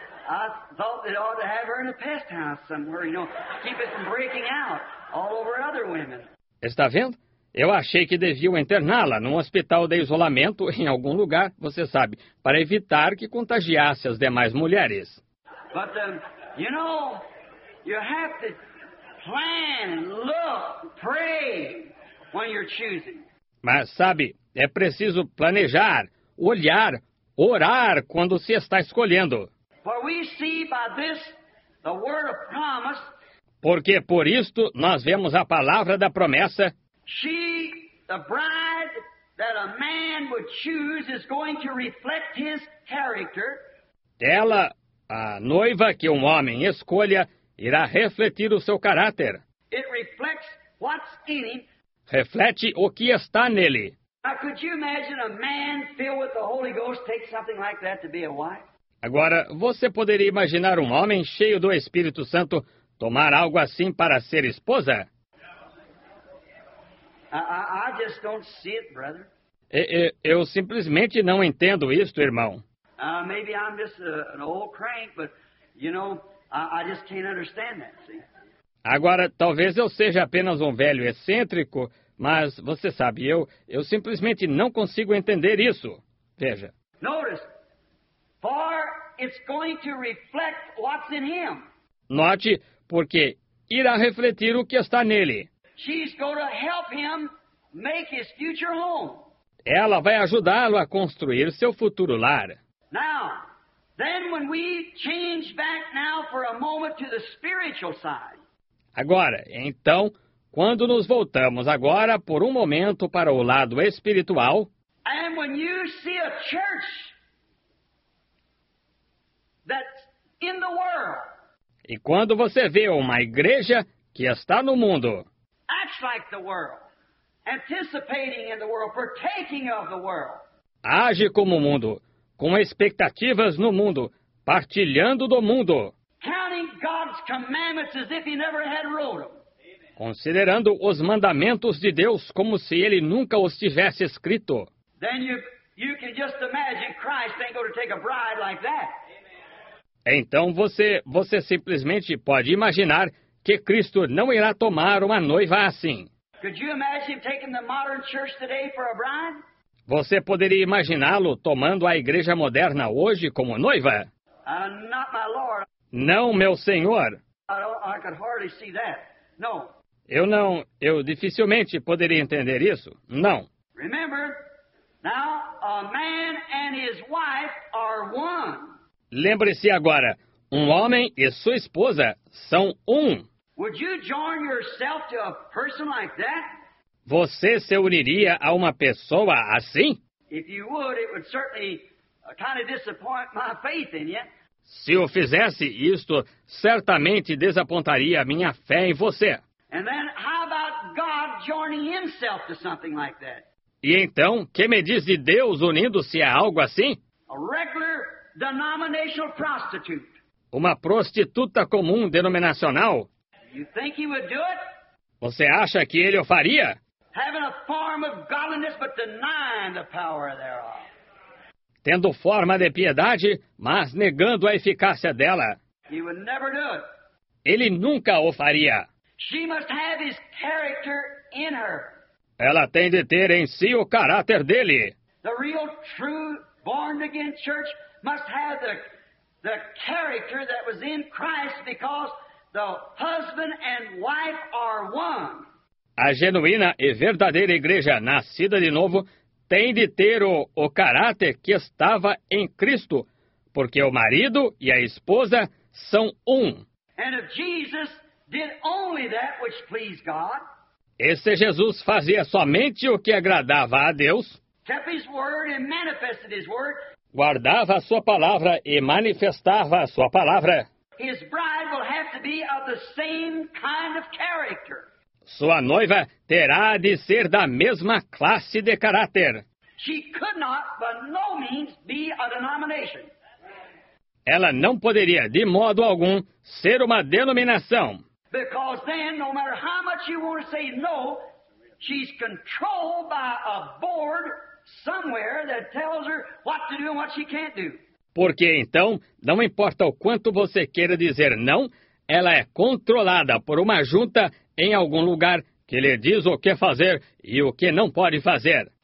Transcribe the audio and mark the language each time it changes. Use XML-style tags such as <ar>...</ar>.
<en>I thought they ought to have her in a pest house somewhere, you know, keep it from breaking out all over other women.</en> <pt>Está vendo? Eu achei que deviam interná-la num hospital de isolamento em algum lugar, você sabe, para evitar que contagiasse as demais mulheres.</pt> <en>But, you know, you have to plan, look, pray when you're choosing.</en> <pt>Mas, sabe, é preciso planejar, olhar, orar quando se está escolhendo.</pt> <en>For we see by this the word of promise.</en> <pt>Porque por isto nós vemos a palavra da promessa.</pt> <en>She, the bride that a man would choose, is going to reflect his character.</en> <pt>Ela, a noiva que um homem escolha, irá refletir o seu caráter.</pt> <en>It reflects what's in him.</en> <pt>Reflete o que está nele.</pt> <en>Now, could you imagine a man filled with the Holy Ghost take something like that to be a wife?</en> <pt>Agora, você poderia imaginar um homem cheio do Espírito Santo tomar algo assim para ser esposa?</pt> <en>I just don't see it, brother.</en> <pt>Eu simplesmente não entendo isto, irmão.</pt> <en>Maybe I'm just an old crank, but, you know, I just can't understand that, see?</en> <pt>Agora, talvez eu seja apenas um velho excêntrico, mas, você sabe, eu simplesmente não consigo entender isso. Veja.</pt> <en>Notice. For it's going to reflect what's in him.</en> <pt>Note, porque irá refletir o que está nele.</pt> <en>She's going to help him make his future home.</en> <pt>Ela vai ajudá-lo a construir seu futuro lar.</pt> <en>Now, then when we change back now for a moment to the spiritual side.</en> <pt>Agora, então, quando nos voltamos agora por um momento para o lado espiritual.</pt> <en>And when you see a church that's in the world.</en> <pt>E quando você vê uma igreja que está no mundo.</pt> <en>Acts like the world. Anticipating in the world, partaking of the world.</en> <pt>Age como o mundo, com expectativas no mundo, partilhando do mundo.</pt> <en>Counting God's commandments as if he never had wrote them.</en> <pt>Considerando os mandamentos de Deus como se ele nunca os tivesse escrito.</pt> <en>Then you can just imagine Christ ain't going to take a bride like that.</en> <pt>Então você simplesmente pode imaginar que Cristo não irá tomar uma noiva assim.</pt> <en>Could you imagine taking the modern church today for a bride?</en> <pt>Você poderia imaginá-lo tomando a igreja moderna hoje como noiva?</pt> <en>Not my Lord.</en> <pt>Não, meu Senhor.</pt> <en>I could hardly see that. No.</en> <pt>Eu dificilmente poderia entender isso. Não.</pt> <en>Remember, now a man and his wife are one.</en> <pt>Lembre-se agora, um homem e sua esposa são um.</pt> <en>Would you join yourself to a person like that?</en> <pt>Você se uniria a uma pessoa assim?</pt> <en>If you would, it would certainly kind of disappoint my faith in you.</en> <pt>Se eu fizesse isto, certamente desapontaria a minha fé em você.</pt> <en>And then how about God joining himself to something like that?</en> <pt>E então, que me diz de Deus unindo-se a algo assim?</pt> <en>A regular denominational prostitute.</en> <pt>Uma prostituta comum denominacional.</pt> <en>You think he would do it?</en> <pt>Você acha que ele o faria?</pt> <en>Having a form of godliness but denying the power thereof.</en> <pt>Tendo forma de piedade, mas negando a eficácia dela.</pt> <en>He would never do it.</en> <pt>Ele nunca o faria.</pt> <en>She must have his character in her.</en> <pt>Ela tem de ter em si o caráter dele.</pt> <en>The real true born again church must have the character that was in Christ because the husband and wife are one.</en> <pt>A genuína e verdadeira igreja nascida de novo tem de ter o caráter que estava em Cristo, porque o marido e a esposa são um.</pt> <en>And if Jesus did only that which pleased God,</en> <pt>e se Jesus fazia somente o que agradava a Deus,</pt> <en>kept his word and manifested his word,</en> <pt>guardava a sua palavra e manifestava a sua palavra,</pt> <en>his bride will have to be of the same kind of character.</en> <pt>Sua noiva terá de ser da mesma classe de caráter.</pt> <en>She could not, by no means, be a denomination.</en> <pt>Ela não poderia, de modo algum, ser uma denominação.</pt> <en>Because then, no matter how much you want to say no, she's controlled by a board somewhere that tells her what to do and what she can't do.</en> <pt>Porque então, não importa o quanto você queira dizer não, ela é controlada por uma junta em algum lugar que lhe diz o que fazer e o que não pode fazer.</pt>